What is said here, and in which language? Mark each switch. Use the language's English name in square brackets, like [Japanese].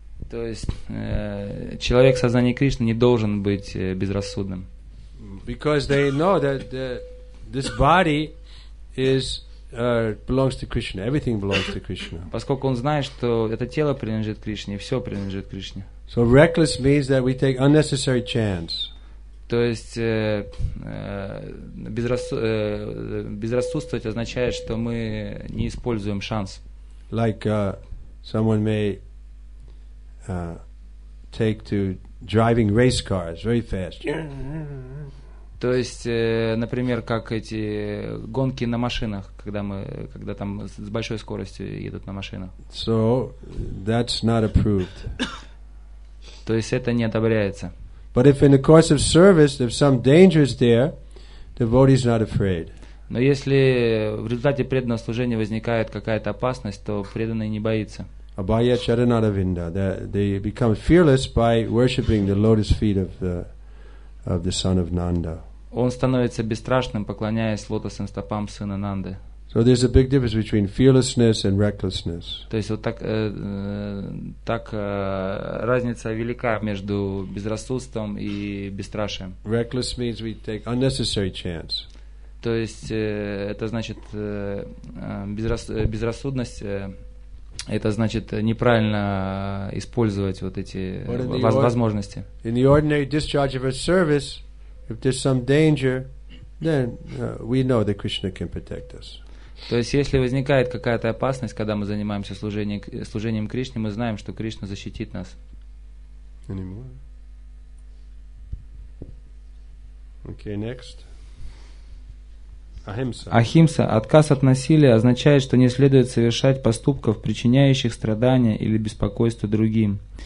[Russian] То есть человек в сознании Кришны не должен быть безрассудным. [English] Because they know that this body is belongs to Krishna. Everything belongs to Krishna. [Russian] Поскольку он знает, что это тело принадлежит Кришне, и все принадлежит Кришне. [English] So reckless means that we take unnecessary chance. [Russian] То есть безрассудствовать означает, что мы не используем шанс. [English] Like someone may take to driving race cars very fast. [Russian] То есть, например, как эти гонки на машинах, когда там с большой скоростью едут на машинах. [English] So that's not approved. [Russian] То есть это не одобряется. [English] But if in the course of service there's some danger is there, the devotee is not afraid. [Russian] Но если в результате преданного служения возникает какая-то опасность, то преданный не боится. [English] Abhaya Charanaravinda, they become fearless by worshipping the lotus feet of the son of Nanda. [Russian] Он становится бесстрашным, поклоняясь лотосным стопам сына Нанды. [English] So there's a big difference between fearlessness and recklessness. [Russian] То есть вот так так разница велика между безрассудством и бесстрашием. [English] Reckless means we take unnecessary chance. [Russian] То есть это значит безрассудность. Это значит неправильно использовать вот эти возможности. [English] In the ordinary discharge of a service, if there's some danger, then we know that Krishna can protect us. [Russian] То есть, если возникает какая-то опасность, когда мы занимаемся служением Кришне, мы знаем, что Кришна защитит нас. [English] Any more? Okay, next. [Russian] Ахимса. Отказ от насилия означает, что не следует совершать поступков, причиняющих страдания или беспокойство другим.